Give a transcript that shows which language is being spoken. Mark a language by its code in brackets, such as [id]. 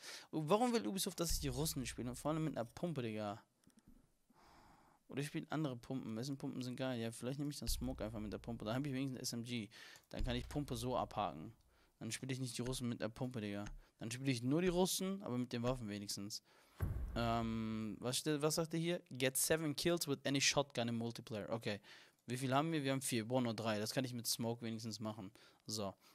[de] Warum will Ubisoft, dass ich die Russen spiele? Und vor allem mit einer Pumpe, Digga. Oder ich spiele andere Pumpen. Wessen Pumpen sind geil? Ja, vielleicht nehme ich dann Smoke einfach mit der Pumpe. Da habe ich wenigstens SMG. Dann kann ich Pumpe so abhaken. Dann spiele ich nicht die Russen mit der Pumpe, Digga. Dann spiele ich nur die Russen, aber mit den Waffen wenigstens. Was sagt ihr hier? [en] Get 7 kills with any shotgun in Multiplayer. Okay. [de] Wie viel haben wir? Wir haben 4. Boah, nur 3. Das kann ich mit Smoke wenigstens machen. So.